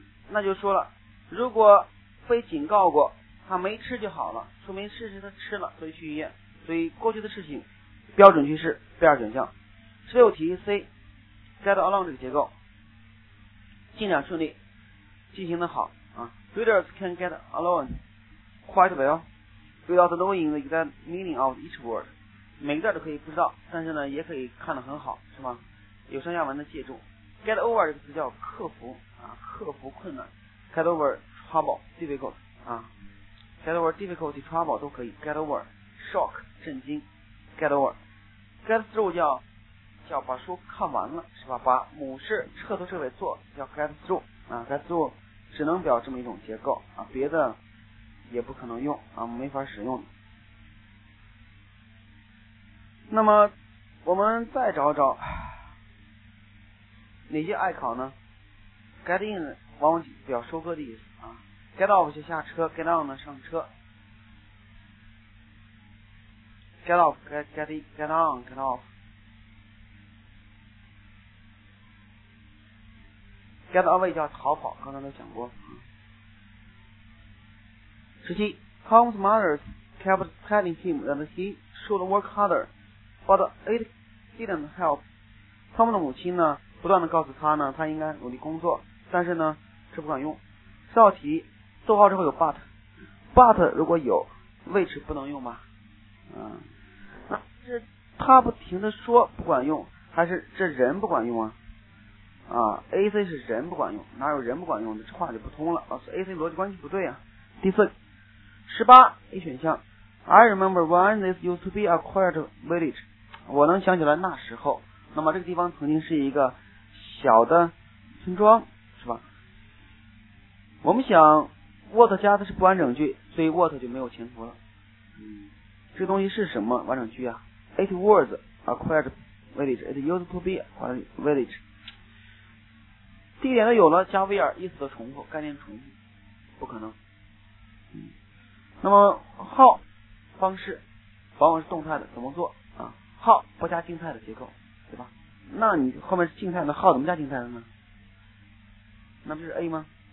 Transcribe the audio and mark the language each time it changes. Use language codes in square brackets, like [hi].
[zh] 那就说了，如果被警告过他没吃就好了，说明事实他吃了，所以去医院。所以过去的事情标准句式第二选项。16题 C get along 这个结构，进展顺利，进行的好。 [en] Readers can get along quite well without knowing the exact meaning of each word. [zh] 每个字都可以不知道，但是呢，也可以看得很好，是吗？有上下文的借助。 Get over 这个词叫克服啊，克服困难。Get over trouble, difficult 啊 ，get over difficulty, trouble 都可以。 Get over shock 震惊 ，get over. Get through 叫把书看完了，是吧？把母事彻头彻尾做叫 get through 啊 ，get through。只能表这么一种结构啊，别的也不可能用啊，没法使用。那么我们再找找哪些爱考呢 ？Get in 往往表收割的意思啊 ，Get off 就下车 ，Get on 呢上车 ，Get off get in get on get off get away 叫逃跑，刚才都讲过。 [en] 17 Tom's mother kept telling him that he should work harder, but it didn't help. [zh] Tom 的母亲呢，不断的告诉他呢，他应该努力工作，但是呢，这不管用。这道题，逗号之后有 but， but 如果有 which 不能用吗？那是他不停的说不管用，还是这人不管用啊？啊 ，AC 是人不管用，哪有人不管用的？这话就不通了。老师 ，AC 逻辑关系不对啊。 [en] 第4 18 A 选项 ，I remember when this used to be a quiet village， [zh] 我能想起来那时候。那么这个地方曾经是一个小的村庄，是吧？我们想 ，what 加的是不完整句，所以 what 就没有前途了。这东西是什么完整句啊 ？ [en] It was a quiet village. It used to be a quiet village. [zh] 地点都有了，加 VR 意思的重复，概念重复，不可能。那么 how 方式往往是动态的，怎么做啊 ？how 不加静态的结构，对吧？那你后面是静态的 ，how 怎么加静态的呢？那不是 A 吗？